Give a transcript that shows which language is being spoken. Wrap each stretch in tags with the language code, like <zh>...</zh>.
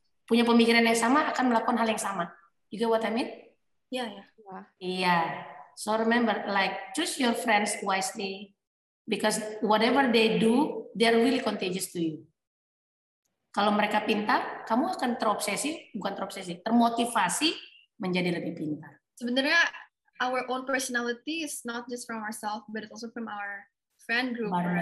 <id>Punya pemikiran yang sama akan melakukan hal yang sama.</id> <en>You get what I mean? Yeah. So remember, like, choose your friends wisely because whatever they do, they are really contagious to you.</en> <id>Kalau mereka pintar, kamu akan termotivasi menjadi lebih pintar. Sebenarnya,</id> <en>our own personality is not just from ourselves, but it's also from our friend group.</en>